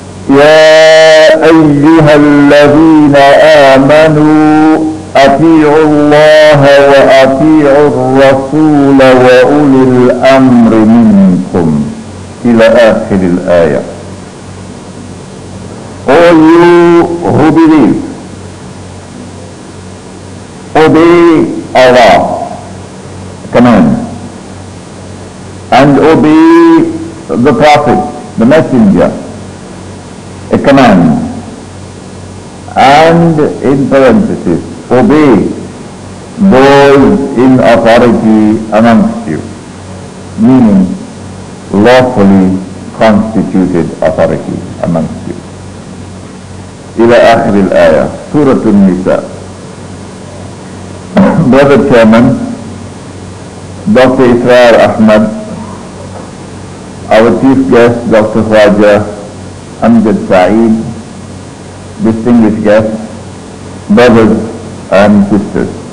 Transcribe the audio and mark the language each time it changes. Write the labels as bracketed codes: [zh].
[ar] يا أيها الذين آمنوا أطيعوا الله وأطيعوا الرسول وأولي الأمر منكم إلى آخر الآية. [en] All you who believe, obey Allah command and obey the Prophet, the Messenger, a command, and in parenthesis, obey those in authority amongst you, meaning lawfully constituted authority amongst you. [ar] إلى آخر الآية سورة النساء. [en] Brother Chairman, Dr. Israr Ahmad, our chief guest, Dr. Khwaja Amjad Saeed, distinguished guests, brothers and sisters.